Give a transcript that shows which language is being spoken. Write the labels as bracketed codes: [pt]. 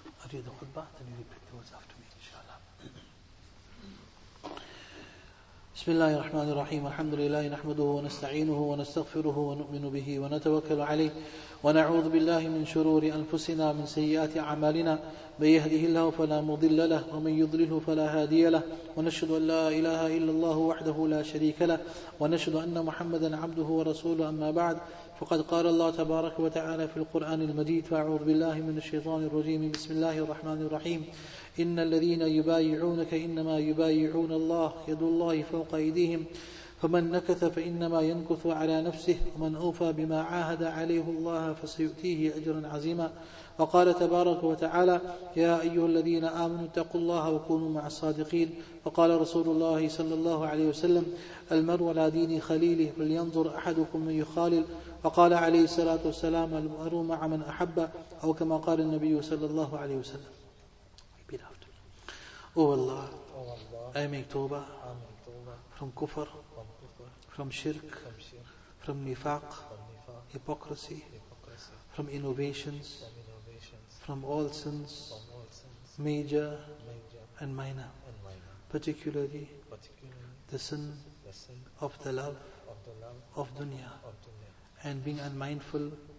[en] continue the khutbah, then you repeat the words after me, inshallah. [ar] بسم الله الرحمن الرحيم الحمد لله نحمده ونستعينه ونستغفره ونؤمن به ونتوكل عليه ونعوذ بالله من شرور أنفسنا من سيئات أعمالنا من يهده الله فلا مضل له ومن يضلله فلا هادي له ونشهد أن لا إله إلا الله وحده لا شريك له ونشهد أن محمدا عبده ورسوله أما بعد فقد قال الله تبارك وتعالى في القرآن المجيد فأعوذ بالله من الشيطان الرجيم بسم الله الرحمن الرحيم إن الذين يبايعونك إنما يبايعون الله يد الله فوق أيديهم فمن نكث فإنما ينكث على نفسه ومن أوفى بما عاهد عليه الله فسيؤتيه أجرا عظيما وقال تبارك وتعالى يا أيها الذين آمنوا اتقوا الله وكونوا مع الصادقين وقال رسول الله صلى الله عليه وسلم المرء على دين خليله فلينظر أحدكم من يخالل وقال عليه الصلاة والسلام المرء مع من أحب أو كما قال النبي صلى الله عليه وسلم. [en] O Allah, I make tawbah from kufr, from shirk, from nifaq, hypocrisy, from innovations, from all sins, major and minor, particularly the sin of the love of dunya, and being unmindful